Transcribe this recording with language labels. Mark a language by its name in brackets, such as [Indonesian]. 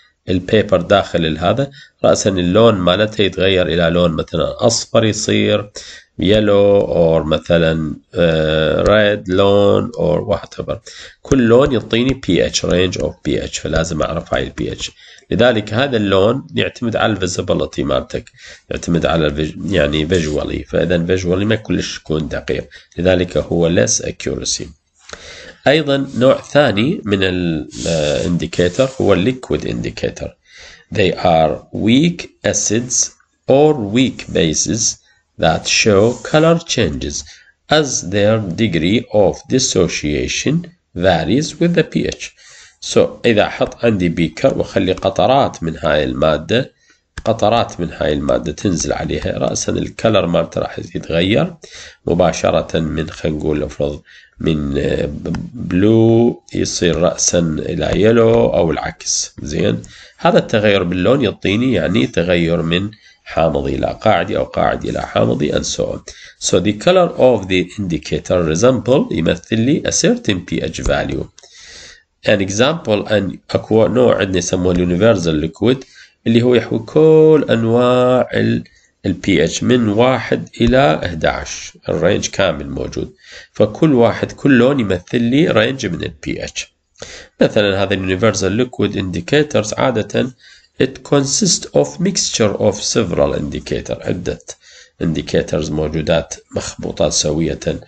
[Arabic] البيبر داخل هذا رأسا اللون مالته يتغير إلى لون مثلا أصفر يصير يلو اور مثلا ريد لون [English] or whatever [Arabic] كل لون يعطيني بي اتش رينج اوف بي اتش فلازم اعرف هاي البي اتش. لذلك هذا اللون يعتمد على الفيزيبلتي مالتك يعتمد على يعني فيجوالي فاذا فيجوالي ما كلش يكون دقيق لذلك هو ليس اكيورسي. ايضا نوع ثاني من الانديكيتر هو الليكويد انديكيتر [English] they are weak acids or weak bases that show color changes as their degree of dissociation varies with the pH. [Arabic] So إذا حط عندي بيكر وخلي قطرات من هاي المادة قطرات من هاي المادة تنزل عليها رأسا الكلر مالت راح يتغير مباشرة من خلينا نقول افرض من بلو يصير رأسا إلى يلو أو العكس زين. هذا التغير باللون يعطيني يعني تغير من حامضي إلى قاعدي أو قاعدي إلى حامضي [English] and so on. So the color of the indicator resemble [Arabic] يمثل لي [English] a certain pH value. An example and [Arabic] أكو نوع عندنا يسموه universal liquid اللي هو يحوي كل أنواع ال pH من 1 إلى 11 الرينج كامل موجود. فكل واحد كل لون يمثل لي رينج من ال pH. مثلا هذا [English] universal liquid indicators عادة It consists of mixture of several indicators. [Arabic] عدة indicators موجودات مخبوطة سوية.